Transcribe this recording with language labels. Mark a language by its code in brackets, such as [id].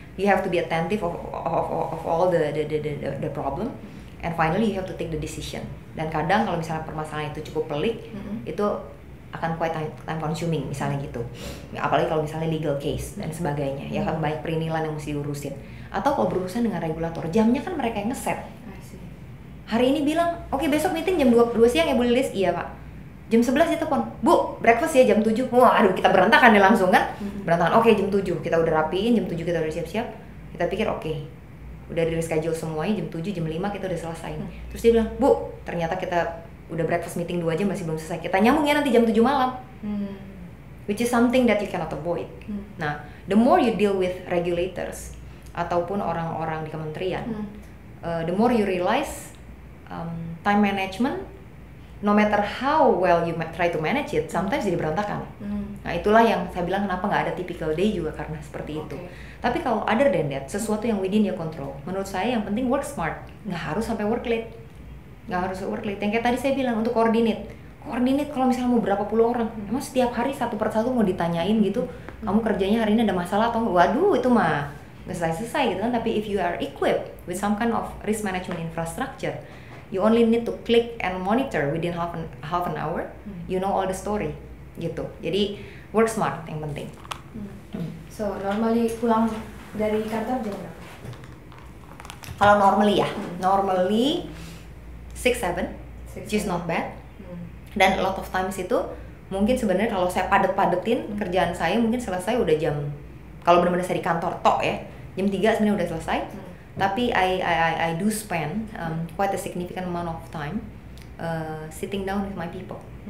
[en] You have to be attentive of all the problem. And finally you have to take the decision. [id] Dan kadang kalau misalnya permasalahan itu cukup pelik, itu akan quite time consuming misalnya gitu. Apalagi kalau misalnya legal case dan sebagainya, ya kan banyak perinilan yang mesti diurusin. Atau kalau berurusan dengan regulator, jamnya kan mereka yang nge-set. Hari ini bilang, "Okay, besok meeting jam 2 siang ya Bu Lilis?" "Iya, Pak." "Jam 11 ya telepon." "Bu, breakfast ya jam 7." "Wah, aduh kita berantakan nih langsung kan?" Berantakan. "Okay, jam 7 kita udah rapiin, jam 7 kita udah siap-siap." Kita pikir, "Okay. Udah di-reschedule semuanya jam 7, jam 5 kita udah selesai." Terus dia bilang, "Bu, ternyata kita udah breakfast meeting 2 jam masih belum selesai. Kita nyambung ya nanti jam 7 malam." [en] Which is something that you cannot avoid. Nah, the more you deal with regulators [id] ataupun orang-orang di kementerian, [en] the more you realize time management no matter how well you try to manage it, sometimes [id] jadi berantakan. Hmm. Nah, itulah yang saya bilang kenapa nggak ada typical day juga, karena seperti itu. Tapi kalau [en] other than that, [id] sesuatu yang [en] within your control, [id] menurut saya yang penting [en] work smart. [id] Nggak harus sampai work late. Nggak harus work late. Yang kayak tadi saya bilang, untuk coordinate. Koordinat kalau misalnya mau berapa puluh orang, emang setiap hari satu per satu mau ditanyain gitu, kamu kerjanya hari ini ada masalah atau enggak? Waduh, itu mah nggak selesai-selesai gitu kan. [en] Tapi if you are equipped with some kind of risk management infrastructure, you only need to click and monitor within half an hour, you know all the story gitu. [id] Jadi work smart yang penting. [en] So normally [id] pulang dari kantor jam berapa? [en] Kalau normally ya, normally 6-7, which is not bad. [id] Dan [en] a lot of times [id] itu mungkin sebenarnya kalau saya padet-padetin kerjaan saya mungkin selesai udah jam, kalau benar-benar saya di kantor tok ya, jam 3 sebenarnya udah selesai. [en] Tapi I do spend quite a significant amount of time sitting down with my people.